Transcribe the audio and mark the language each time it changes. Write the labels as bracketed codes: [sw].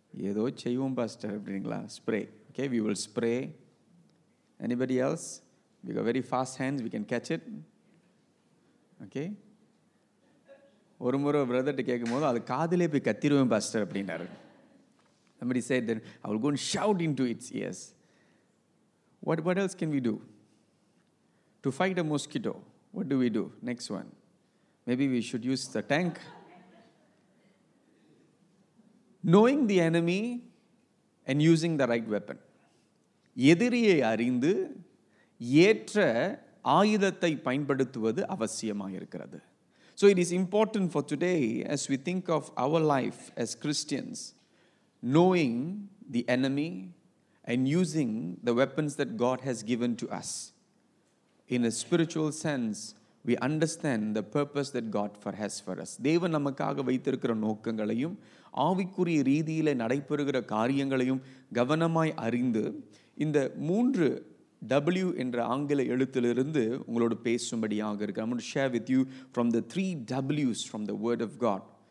[ta] ஏதோ செய்வோம் பாஸ்டர் அப்படிங்களா? Spray. [en] Okay, we will spray. Anybody else? We got very fast hands, we can catch it. Okay. [ta] ஒரு முறை பிரதர்ட்ட கேட்கும் போது அது காதிலே போய் கத்திருவேன் பாஸ்டர் அப்படின்னாரு. [en] Somebody said that I will go and shout into its ears. What else can we do? To fight a mosquito, what do we do? Next one. Maybe we should use the tank. Knowing the enemy and using the right weapon. [ta] எதிரியை அறிந்து ஏற்ற ஆயுதத்தை பயன்படுத்துவது அவசியமாக இருக்கிறது. [en] So it is important for today, as we think of our life as Christians, knowing the enemy and using the weapons that God has given to us. In a spiritual sense, we understand the purpose that God has for us. [ta] தேவன் நமக்காக வைத்திருக்கிற நோக்கங்களையும் ஆவிக்குரிய ரீதியில் நடைபெறுகிற காரியங்களையும் கவனமாய் அறிந்து, இந்த 3 W என்ற ஆங்கில எழுத்திலிருந்து உங்களோடு பேசும்படியாக இருக்கு. [en] I'm going to share with you from the 3 W's from the Word of God.